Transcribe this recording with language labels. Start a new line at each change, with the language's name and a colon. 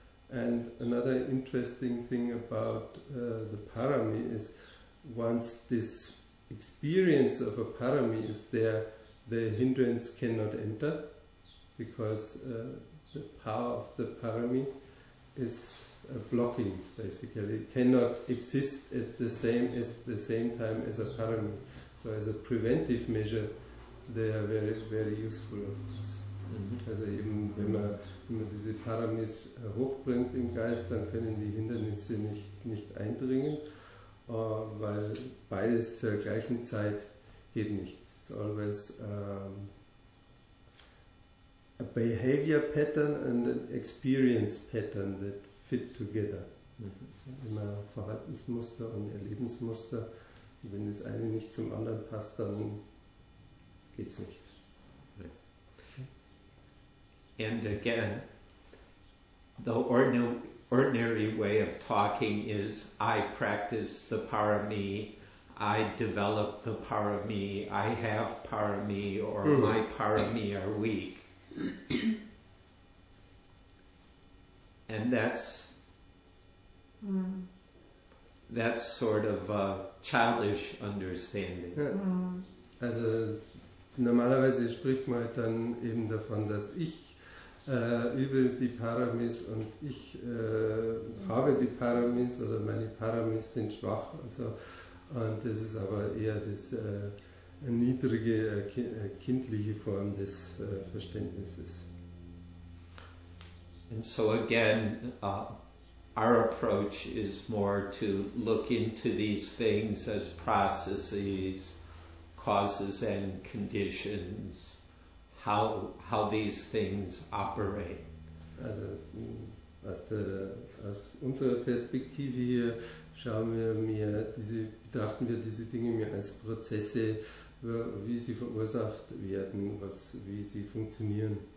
English: And another interesting thing about the Parami is, once this experience of a Parami is there, the hindrance cannot enter, because the power of the Parami is a blocking, basically. It cannot exist at the same time as a Parami. So as a preventive measure, they are very, very useful.
German: Also eben, wenn man diese Paramis hochbringt im Geist, dann können die Hindernisse nicht eindringen, weil beides zur gleichen Zeit geht nicht.
English: It's always a behavior pattern and an experience pattern that fit together. Mhm.
German: Immer Verhaltensmuster und Erlebensmuster. Und wenn das eine nicht zum anderen passt, dann geht's nicht.
English: And again, the ordinary way of talking is, I practice the parami, I develop the parami, I have parami, or my parami are weak. And that's sort of a childish understanding.
German: Ja. Also normalerweise spricht man dann eben davon, dass ich übe die Paramis und ich habe die Paramis oder meine Paramis sind schwach und so. Und das ist aber eher das niedrige, kindliche Form des Verständnisses.
English: And so again, our approach is more to look into these things as processes, causes and conditions, how these things operate.
German: Also aus unserer Perspektive hier schauen wir mehr diese, betrachten wir diese Dinge mehr als Prozesse, wie sie verursacht werden, wie sie funktionieren.